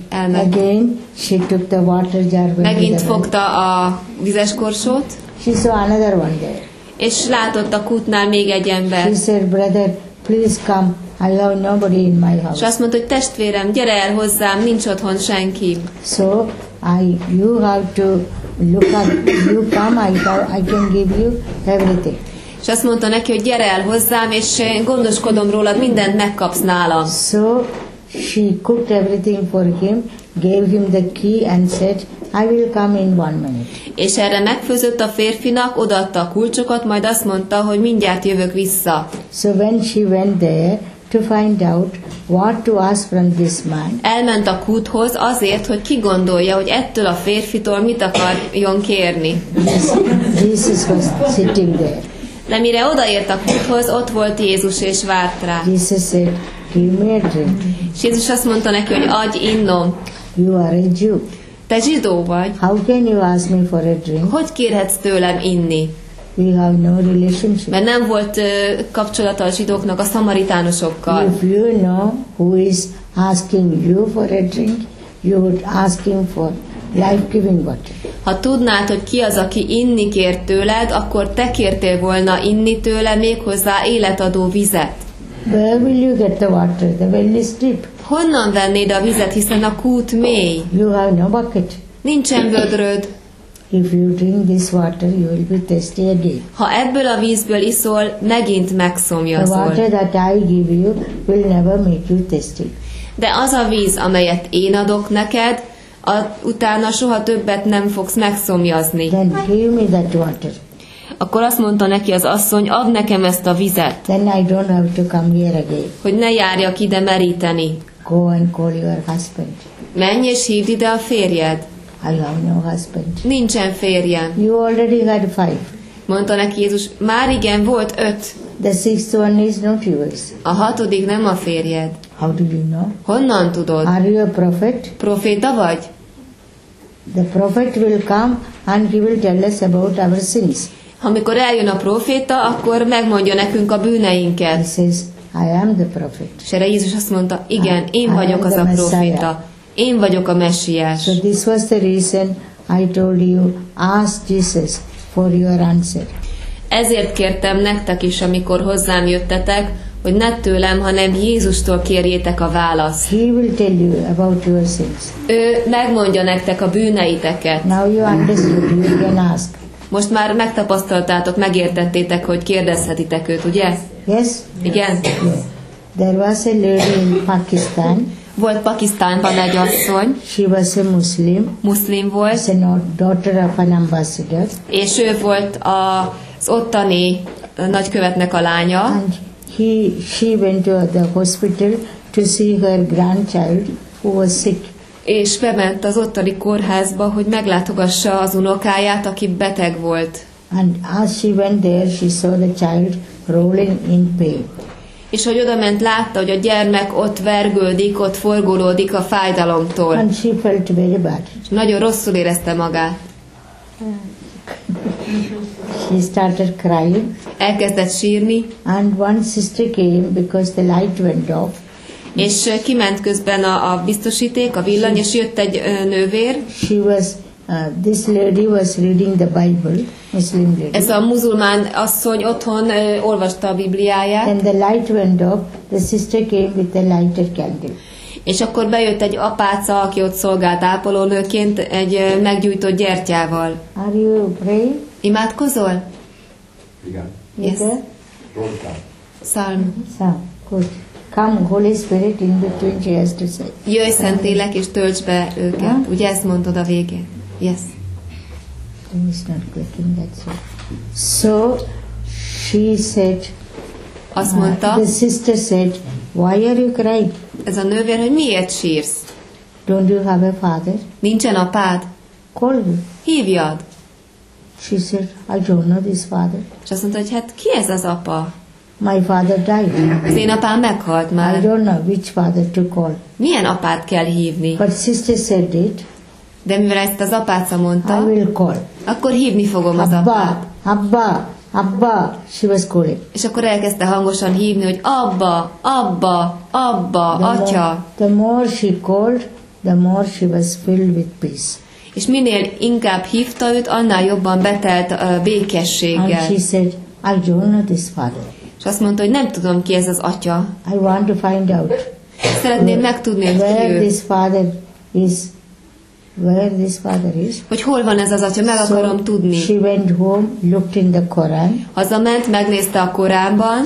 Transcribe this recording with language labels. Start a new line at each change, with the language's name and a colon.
English: Again, she took the water jar.
Hungarian: Megint fogta a vizes korsót.
English: She saw another one there.
Hungarian: És látott a kútnál még egy ember.
English: She said, brother, please come. I have nobody in my house.
Hungarian: És azt mondta, hogy testvérem, gyere el hozzám, nincs otthon senki.
English: So, you have to look up, you come, I can give you everything.
Hungarian: És azt mondta neki, hogy gyere el hozzám, és gondoskodom rólad, mindent megkapsz nálam.
English: So, She cooked everything for him, gave him the key and said, I will come in 1 minute.
Hungarian: És erre megfőzött a férfinak, odaadta a kulcsokat, majd azt mondta, hogy mindjárt jövök vissza.
English: So when she went there to find out what to ask from this man.
Hungarian: Elment a kúthoz azért, hogy kigondolja, hogy ettől a férfitől mit akarjon kérni.
English: Jesus was sitting there.
Hungarian: De mire odaért a kúthoz, ott volt Jézus és várt rá.
English: Jesus said, give me a drink.
Hungarian: És Jézus azt mondta neki, hogy adj innom.
English: You are a Jew.
Hungarian: Te zsidó vagy.
English: How can you ask me for a drink?
Hungarian: Hogy kérhetsz tőlem inni?
English: We have no relationship.
Hungarian: Mert nem volt kapcsolata a zsidóknak a szamaritánusokkal.
English: If you know who is asking you for a drink, you would ask him for life-giving water.
Hungarian: Ha tudnád, hogy ki az, aki inni kér tőled, akkor te kértél volna inni tőle méghozzá életadó vizet.
English: Where will you get the water? The well is deep.
Hungarian: Honnan vennéd a vizet, hiszen a kút mély?
English: You have no bucket.
Hungarian: Nincsen vödröd.
English: If you drink this water, you will be thirsty again.
Hungarian: Ha ebből a vízből iszol, megint megszomjazol.
English: The water that I give you will never make you thirsty.
Hungarian: De az a víz, amelyet én adok neked, utána soha többet nem fogsz megszomjazni.
English: Then give me that water.
Hungarian: Akkor azt mondta neki az asszony, add nekem ezt a vizet.
English: Then I don't have to come here again.
Hungarian: Hogy ne járjak ide meríteni.
English: Go and call your husband.
Hungarian: Menj és hívd ide a férjed.
English: I have no husband.
Hungarian: Nincsen férjem.
English: You already had 5.
Hungarian: Mondta neki Jézus, már igen, volt 5.
English: The 6th one is not yours.
Hungarian: A hatodik nem a férjed.
English: How do you know?
Hungarian: Honnan tudod?
English: Are you a prophet?
Hungarian: Proféta vagy?
English: The prophet will come and he will tell us about our sins.
Hungarian: Amikor eljön a proféta, akkor megmondja nekünk a bűneinket.
English: He says, I am the prophet.
Hungarian: És erre Jézus azt mondta, igen, én vagyok az a proféta. Én vagyok a messiás.
English: So this was the reason I told you, ask Jesus for your answer.
Hungarian: Ezért kértem nektek is, amikor hozzám jöttetek, hogy ne tőlem, hanem Jézustól kérjétek a választ.
English: He will tell you about your sins.
Hungarian: Ő megmondja nektek a bűneiteket.
English: Now you understood, you can ask.
Hungarian: Most már megtapasztaltátok, megértettétek, hogy kérdezhetitek őt, ugye?
English: Yes.
Hungarian: Igen?
English: Yes. There was a lady in Pakistan.
Hungarian: Volt Pakisztánban egy asszony.
English: She was a Muslim.
Hungarian: Muslim volt.
English: She was a daughter of an ambassador.
Hungarian: És ő volt az ottani nagykövetnek a lánya.
English: And she went to the hospital to see her grandchild who was sick.
Hungarian: És bement az ottani kórházba, hogy meglátogassa az unokáját, aki beteg volt.
English: And as she went there, she saw the child rolling in pain.
Hungarian: És hogy odament, látta, hogy a gyermek ott vergődik, ott forgolódik a fájdalomtól.
English: And she felt very bad.
Hungarian: Nagyon rosszul érezte magát.
English: She started crying.
Hungarian: Elkezdett sírni.
English: And one sister came because the light went off.
Hungarian: És kiment közben a biztosíték, a villany, és jött egy nővér.
English: She was, this lady was reading the Bible, Muslim lady.
Hungarian: Ez a muzulmán asszony otthon olvasta a Bibliáját.
English: And the light went off, the sister came with a lighted candle.
Hungarian: És akkor bejött egy apáca, aki ott szolgált ápolónőként, egy meggyújtott gyertyával.
English: Are you praying?
Hungarian: Imádkozol? Igen.
English: Yes. Szalm. Szalm. Good. Come, Holy Spirit, in between, she has to say.
Hungarian: Jöjj, Szent Lélek, és töltsd be őket. Huh? Ugye ezt mondod a végén?
English: Yes. Then it's not clicking, that's right. So, she said,
Hungarian: azt mondta,
English: the sister said, why are you crying?
Hungarian: Ez a nővér, hogy miért sírsz?
English: Don't you have a father?
Hungarian: Nincsen apád?
English: Call me.
Hungarian: Hívjad.
English: She said, I don't know this father.
Hungarian: És azt mondta, hogy hát ki ez az apa?
English: My father died.
Hungarian: Az én apám meghalt már.
English: I don't know which father to call.
Hungarian: Milyen apát kell hívni?
English: But sister said it.
Hungarian: De mivel ezt az apáca mondta,
English: I will call.
Hungarian: Akkor hívni fogom az apát.
English: Abba, abba, she was calling.
Hungarian: És akkor elkezdte hangosan hívni, hogy abba, abba, abba, the atya.
English: The more she called, the more she was filled with peace.
Hungarian: És minél inkább hívta őt, annál jobban betelt a békességgel.
English: And she said, I don't know this father.
Hungarian: És azt mondta, hogy nem tudom, ki ez az atya.
English: I want to find out.
Hungarian: Szeretném megtudni, hogy ki ő.
English: Where this father is where this father is.
Hungarian: Hogy hol van ez az atya, meg akarom tudni.
English: She went home, looked in the Quran.
Hungarian: Hazament, megnézte a Koránban.